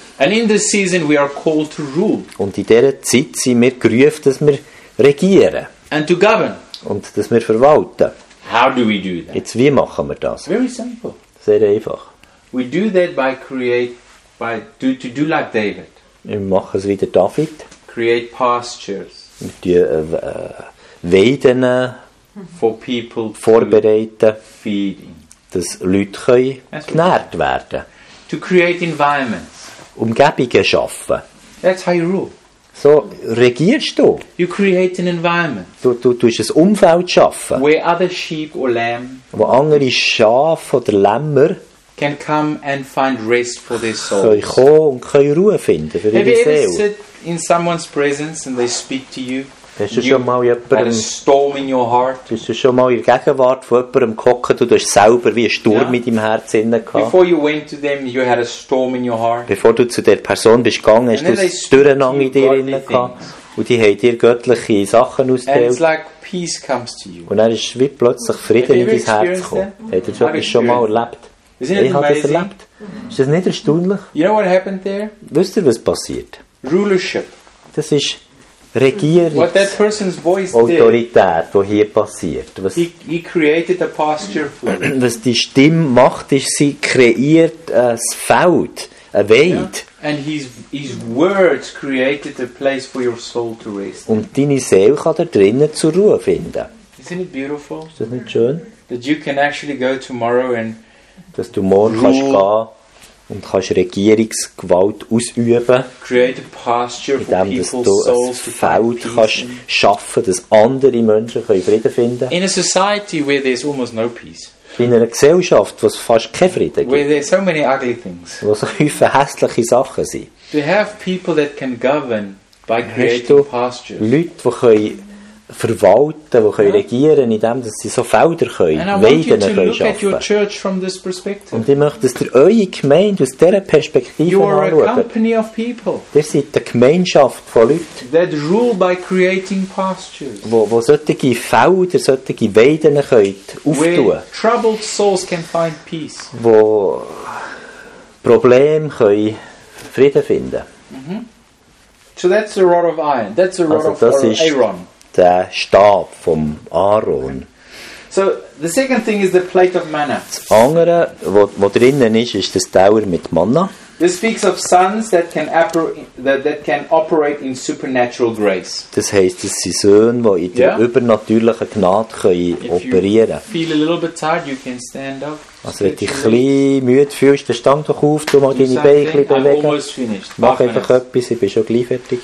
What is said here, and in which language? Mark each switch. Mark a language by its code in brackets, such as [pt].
[en] And in this season we are called to rule. [de] Und in dieser Zeit sind wir gerufen, dass wir regieren. [en] And to govern. [de] Und dass wir verwalten. [en] How do we do that? [de] Jetzt, wie machen wir das? [en] Very simple. [de] Sehr einfach. [en] We do that by create, by do, to do like David. [de] Wir machen es wie der David. [en] Create pastures. [de] Und die, Weiden vorbereiten, dass Leute genährt werden können. [en] To create environments. [de] Umgebungen schaffen. [en] That's how you rule. [de] So regierst du. [en] You create an environment. [de] Du tust ein Umfeld schaffen. [en] Where other sheep or lamb, [de] wo andere Schafe oder Lämmer [en] can come and find rest for their souls. [de] Können kommen und können Ruhe finden für ihre Seele. [en] Have you ever sit in someone's presence and they speak to you? [de] Hast du schon mal in der Gegenwart von jemandem gesessen und du hast selber wie ein Sturm in deinem Herzen gehabt? [en] Before you went to them, you had a storm in your heart. [de] Bevor du zu der Person bist gegangen, hast du das Durcheinander in dir innen gehabt und die haben dir göttliche Sachen ausgeteilt. [en] And it's like peace comes to you. [de] Und dann ist wie plötzlich Frieden in dein Herz gekommen. Hast du das schon mal erlebt? Ich habe das erlebt. Ist das nicht erstaunlich? [en] You know what happened there? [de] Wisst ihr, was passiert? [en] Rulership. [de] Das ist Regierungs- [en] what that person's voice [de] Autorität, die hier passiert. Was, [en] he created a pasture for you. [de] Was die Stimme macht, ist, sie kreiert ein Feld, eine Weide. [en] Yeah. And his words created a place for your soul to rest. [de] Und deine Seele kann da drinnen zur Ruhe finden. [en] Isn't it beautiful? [de] Ist das nicht schön? [en] That you can actually go tomorrow and [de] dass du morgen kannst gehen und kannst Regierungsgewalt ausüben, [en] create a pasture for indem [de] dass du ein Feld kannst schaffen, dass andere Menschen Frieden finden können. [en] In a society where there's almost no peace. [de] In einer Gesellschaft, wo es fast keinen Frieden gibt. [en] Where there's so many ugly things. [de] Wo so viele hässliche Sachen sind. [en] To have people that can govern by creating pastures. [de] Leute, die können verwalten, die können regieren, indem dass sie so Felder können, Weiden können schaffen. [en] At your church from this perspective. [de] Und ich möchte, dass ihr eure Gemeinde aus dieser Perspektive anschaut. [en] You are a company of people. [de] Ihr seid eine Gemeinschaft von Leuten. [en] That rule by creating pastures. [de] Wo solche Felder, solche Weiden können auftun. [en] Where troubled souls can find peace. [de] Wo Probleme können Frieden finden. [en] Mm-hmm. So that's the rod of iron. That's the rod [de] also [en] of Aaron. [de] Der Stab vom Aaron. [en] So the second thing is the plate of manna. [de] Das andere, wo drinnen ist, ist das Tauer mit Manna. [en] This speaks of sons that can operate in supernatural grace. [de] Das heißt, es sind Söhne, wo in der übernatürlichen Gnade können operieren. [en] If you feel a little bit tired, you can stand up. [de] Also wenn du ein müde fühlst, dann stand doch auf, du mal deine Beine bewegen. Mach einfach etwas, ich bin schon gleich fertig.